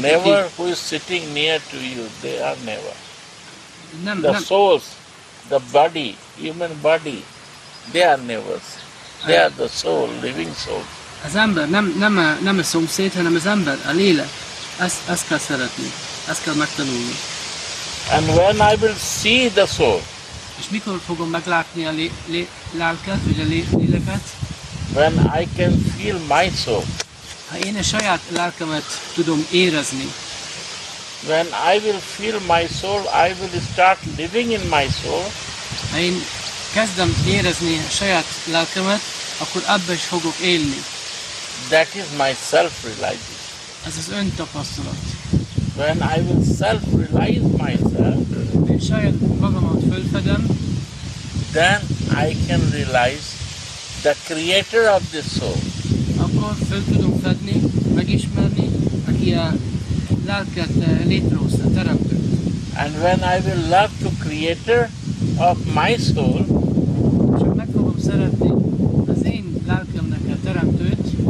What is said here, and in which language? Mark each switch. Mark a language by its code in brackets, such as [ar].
[en] Never who is sitting near to you, they are never. Souls, the body, human body, they are never. They are the soul, living soul. [hu] Az ember, nem a szomszéd, hanem az ember, a lélek. Ezt kell szeretni, ezt kell megtanulni. [en] And when I will see the soul? [hu] És mikor fogom meglátni a lelket, vagy a léleket? [en] When I can feel my soul. [hu] Ha én a saját lelkemet tudom érezni. [en] When I will feel my soul, I will start living in my soul. [hu] Ha én kezdem érezni a saját lelkemet, akkor abba is fogok élni. [en] That is my self-realization. [hu] Ez az öntapasztalat. [en] When I will self-realize myself. [hu] Én saját magamat fölfedem. [en] Then I can realize the creator of this soul. [hu] Akkor föl tudom fedni, megismerni, aki a lelket létrehozta, a teremtőt. [en] And when I will love to creator of my soul, [hu] és ha meg fogom szeretni az én lelkemnek a teremtőt,